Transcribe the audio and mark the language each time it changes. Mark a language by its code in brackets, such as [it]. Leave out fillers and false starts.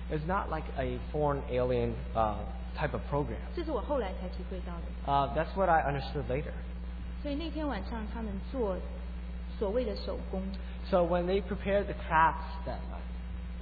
[en] It's not like a foreign alien type of program. [zh] 这是我后来才体会到的. [en] That's what I understood later. [zh] 所以那天晚上他们做所谓的手工. [en] So when they prepared the crafts that night,